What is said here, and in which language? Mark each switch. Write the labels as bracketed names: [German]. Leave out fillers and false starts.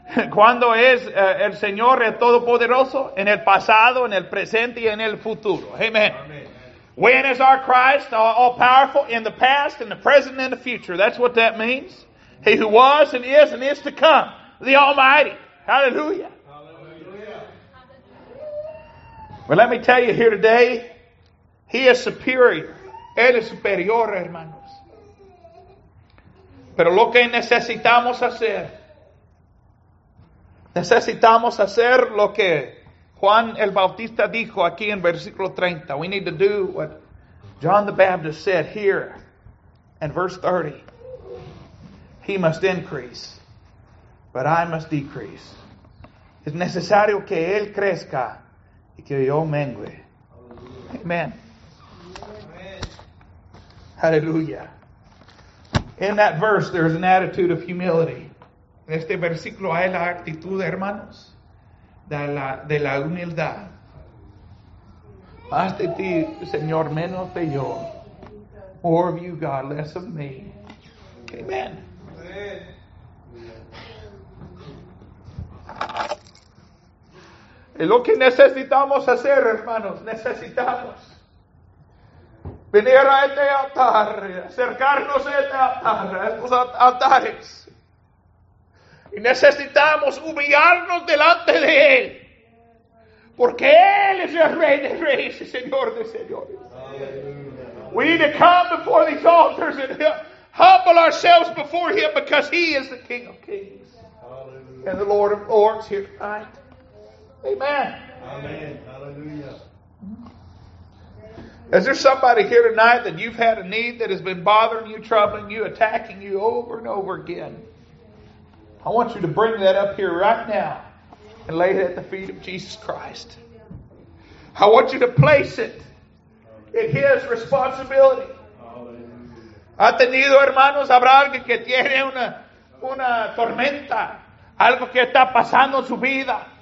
[Spanish] ¿Cuándo es el Señor el Todopoderoso? En el pasado, en el presente y en el futuro. [English] Amen. When is our Christ all powerful? In the past, in the present, and the future. That's what that means. He who was and is to come. The Almighty. Hallelujah. Hallelujah. Well, let me tell you here today, he is superior. [Spanish] Él es superior, hermanos. Pero lo que necesitamos hacer lo que Juan el Bautista dijo aquí en versículo 30. [English] We need to do what John the Baptist said here in verse 30. He must increase, but I must decrease. [Spanish] Es necesario que él crezca y que yo mengue. Amen. [English] Hallelujah. In that verse, there is an attitude of humility. [Spanish] En este versículo hay la actitud, hermanos, de la humildad. Más de ti, Señor, menos de yo. [English] More of you, God, less of me. Amen. [Spanish] Es lo que necesitamos hacer, hermanos. Necesitamos venir a este altar, acercarnos a este altar, a estos altares. Y necesitamos humillarnos delante de Él. Porque Él es el Rey de Reyes, Señor de Señores. [English] Hallelujah. We need to come before these altars and humble ourselves before Him because He is the King of Kings. Hallelujah. And the Lord of Lords here tonight. Amen. Amen. Hallelujah. Is there somebody here tonight that you've had a need that has been bothering you, troubling you, attacking you over and over again? I want you to bring that up here right now and lay it at the feet of Jesus Christ. I want you to place it in His responsibility. [Spanish] ¿Ha tenido, hermanos, habrá alguien que tiene una tormenta, algo que está pasando en su vida?